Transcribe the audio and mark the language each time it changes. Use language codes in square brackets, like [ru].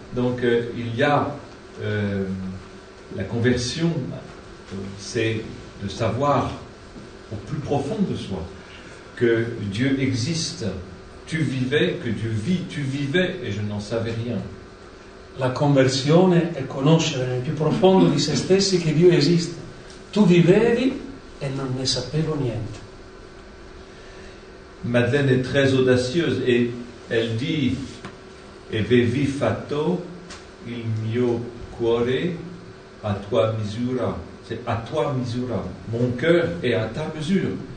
[fr] Donc il y a la conversion, c'est de savoir au plus profond de soi que Dieu existe. Tu vivais, que Dieu vit, tu vivais et je n'en savais rien. [it] La conversione è conoscere nel più profondo di se stessi che Dio esiste. Tu vivevi e non ne sapevo niente. [fr] Madeleine est très audacieuse et elle dit « [it] Avevi fatto il mio cuore a tua misura ». [fr] C'est « à toi misura ». Mon cœur est à ta mesure.